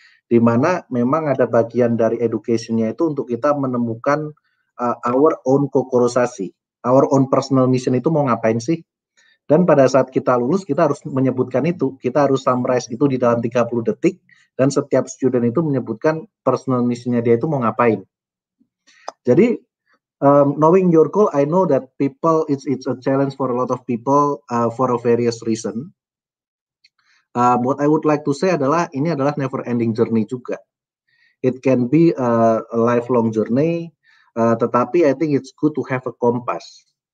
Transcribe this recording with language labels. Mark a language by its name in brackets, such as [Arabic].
[Indonesian] Di mana memang ada bagian dari education-nya itu untuk kita menemukan [English] our own kokurosashi, our own personal mission [Indonesian] itu mau ngapain sih? Dan pada saat kita lulus, kita harus menyebutkan itu. Kita harus summarize itu di dalam 30 detik. Dan setiap student itu menyebutkan personal mission-nya dia itu mau ngapain. Jadi, [English] Knowing your goal, I know that people, it's a challenge for a lot of people for a various reason. What I would like to say [Indonesian] adalah, ini adalah [English] never ending journey juga. It can be a lifelong journey, tetapi I think it's good to have a compass.